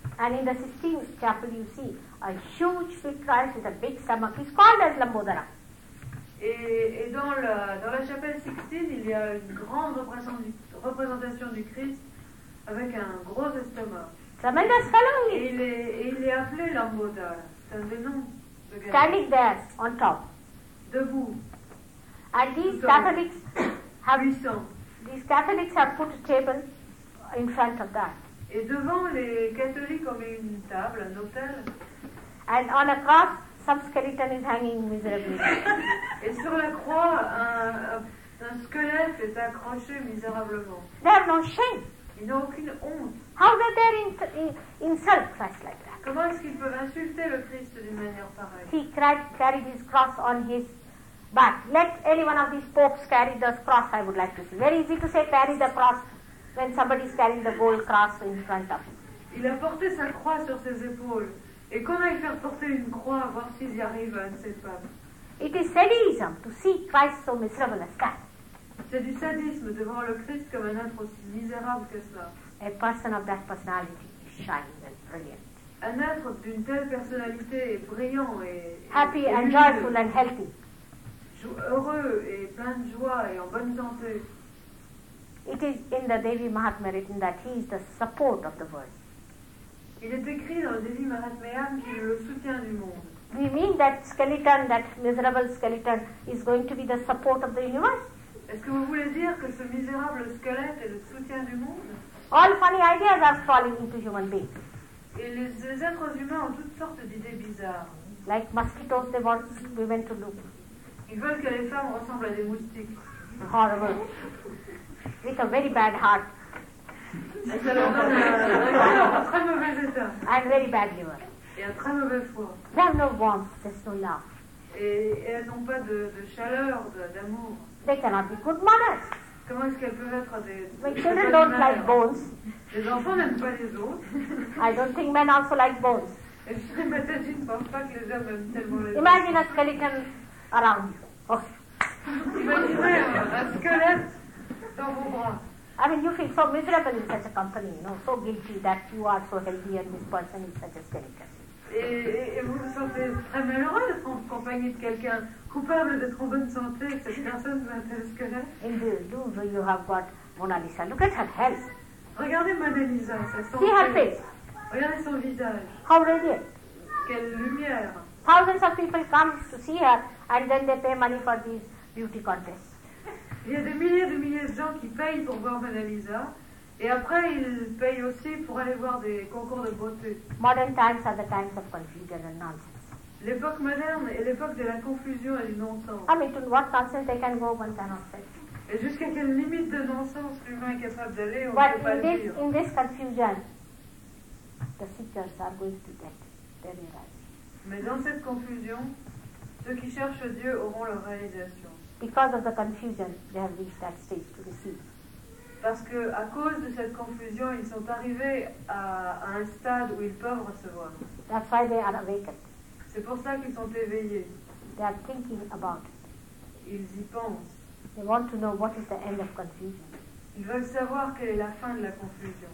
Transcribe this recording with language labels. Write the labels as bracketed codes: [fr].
[en] And in the Sistine Chapel, you see a huge fit Christ with a big stomach. He's called as Lambodara. [fr] Et dans la chapelle Sixtine, il y a une grande représentation du Christ avec un gros estomac. [en] Tremendous fellow. [fr] Et il est appelé Lambodara. C'est un des noms. [en] Standing there, on top. [fr] Debout. [en] And these Catholics have [fr] puissant. [en] These Catholics have put a table in front of that. [fr] Et devant, les catholiques ont mis une table, un autel. [en] And on a cross, some skeleton is hanging miserably. [fr] Et sur la croix, un squelette est accroché misérablement. [en] They have no shame. [fr] Ils n'ont aucune honte. [en] How do they insult Christ like that? [fr] Comment est-ce qu'ils peuvent insulter le Christ d'une manière pareille? [en] He carried his cross on his back. Let any one of these popes carry the cross, I would like to see. Very easy to say carry the cross when somebody is carrying the gold cross in front of him. [fr] Il a porté sa croix sur ses épaules. Et qu'on aille faire porter une croix, voir s'ils y arrivent à un de ces papes. [en] It is sadism to see Christ so miserable as that. [fr] C'est du sadisme de voir le Christ comme un être aussi misérable que cela. [en] A person of that personality is shining and brilliant. [fr] Un être d'une telle personnalité est brillant et [en] happy and joyful and healthy. [fr] Heureux et plein de joie et en bonne santé. [en] It is in the Devi Mahatmya written that he is the support of the world. [fr] Il est écrit dans le Devi Mahatmya qu'il est le soutien du monde. [en] We mean that skeleton, that miserable skeleton, is going to be the support of the universe. [fr] Est-ce que vous voulez dire que ce misérable squelette est le soutien du monde? [en] All funny ideas are falling into human beings. [fr] Et les êtres humains ont toutes sortes d'idées bizarres. [en] Like mosquitoes, they want women to look. [fr] Ils veulent que les femmes ressemblent à des moustiques. [en] Horrible. With a very bad heart. [fr] Très mauvais état. [en] And very bad liver. [fr] Et un très mauvais foi. [en] They have no warmth, there's no love. [fr] Et elles n'ont pas de chaleur, d'amour. [en] They cannot be good mothers. [fr] Comment est-ce qu'elles peuvent être des [en] My children don't [fr] mères. [en] Like bones. [fr] Les enfants n'aiment pas les os. [en] I don't think men also like bones. [fr] Et je ne pense pas que les hommes aiment tellement les os. [en] Imagine a skeleton around you. [fr] Oh. Imaginez un squelette dans vos bras. [en] I mean, you feel so miserable in such a company, you know, so guilty that you are so healthy and this person is such a skeleton. [fr] Et vous vous sentez très malheureux d'être en compagnie de quelqu'un coupable d'être en bonne santé, cette personne est un squelette. [en] In the Louvre, you have got Mona Lisa. Look at her health. [fr] Regardez Mona Lisa, sa santé. [en] See her face. [fr] Regardez son visage. [en] How radiant. [fr] Quelle lumière. [en] Thousands of people come to see her and then they pay money for these beauty contests. [fr] Il y a des milliers de gens qui payent pour voir Mona Lisa et après ils payent aussi pour aller voir des concours de beauté. [en] Modern times are the times of confusion and nonsense. [fr] L'époque moderne est l'époque de la confusion et du non-sens. [en] I mean, to what nonsense they can go once and nonsense. [fr] Et jusqu'à quelle limite de non-sens l'humain est capable d'aller, on ne peut pas le dire. [en] But in this confusion, the seekers are going to get their realization. [fr] Mais dans cette confusion, ceux qui cherchent Dieu auront leur réalisation. [en] Because of the confusion, they have reached that stage to receive. [fr] Parce que à cause de cette confusion, ils sont arrivés à un stade où ils peuvent recevoir. [en] That's why they are awakened. [fr] C'est pour ça qu'ils sont éveillés. [en] They are thinking about it. [fr] Ils y pensent. [en] They want to know what is the end of confusion. [fr] Ils veulent savoir quelle est la fin de la confusion.